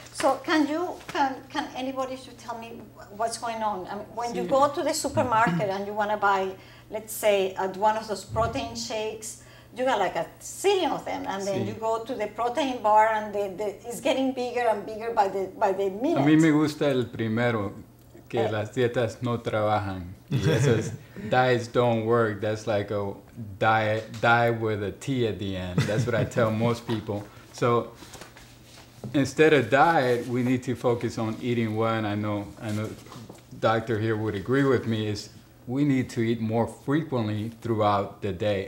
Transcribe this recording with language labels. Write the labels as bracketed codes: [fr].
[en] So can anybody should tell me what's going on? You go to the supermarket and you want to buy, let's say, at one of those protein shakes, you got like a zillion of them, and then you go to the protein bar, and the it's getting bigger and bigger by the minute. [es] A mí me gusta el primero, que las dietas no trabajan. [en] Says, diets don't work. That's like a diet with a T at the end. That's what I tell most people. So instead of diet, we need to focus on eating well. And I know, doctor here would agree with me. Is we need to eat more frequently throughout the day.